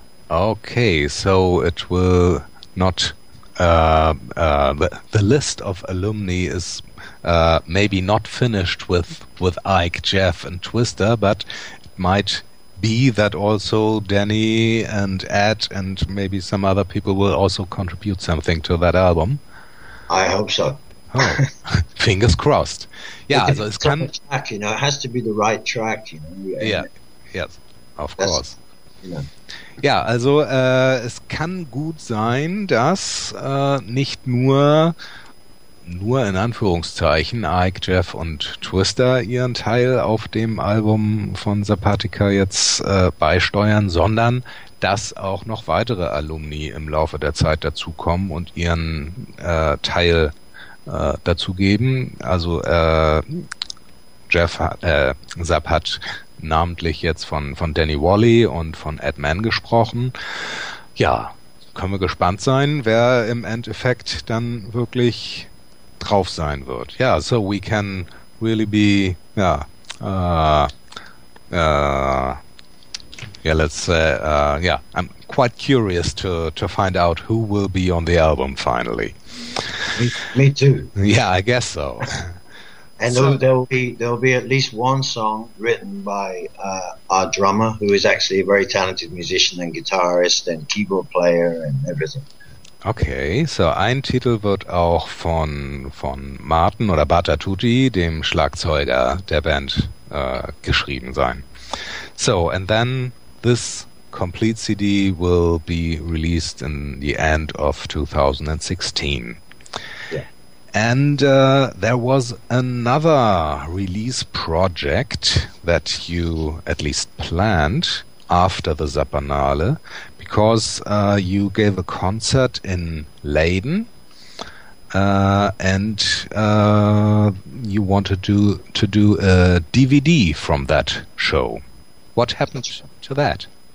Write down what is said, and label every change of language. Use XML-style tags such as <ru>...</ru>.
<en>Okay, so it will not the list of alumni is maybe not finished with Ike, Jeff and Twister, but it might be that also Danny and Ed and maybe some other people will also contribute something to that album. I hope so. Oh, fingers crossed. Yeah, also it's kind of track, you know, it has to be the right track, you know. Yeah, yes, of course.</en> <de>Ja, also es kann gut sein, dass nicht nur in Anführungszeichen Ike, Jeff und Twister ihren Teil auf dem Album von Zapatica jetzt beisteuern, sondern dass auch noch weitere Alumni im Laufe der Zeit dazukommen und ihren Teil dazu geben. Also Zapp hat namentlich jetzt von Danny Wally und von Ed Mann gesprochen. Ja, können wir gespannt sein, wer im Endeffekt dann wirklich drauf sein wird. Ja,</de> <en>so we can really be, I'm quite curious to find out who will be on the album finally. Me too. Yeah, I guess so. And so, there'll be at least one song written by our drummer, who is actually a very talented musician and guitarist and keyboard player and everything.</en> <de>Okay, so ein Titel wird auch von Martin oder Bata Tutti, dem Schlagzeuger der Band, geschrieben sein.</de> <en>So, and then this complete CD will be released in the end of 2016. And there was another release project that you at least planned after the Zapanale, because you gave a concert in Leiden and you wanted to do a DVD from that show. What happened to that?</en>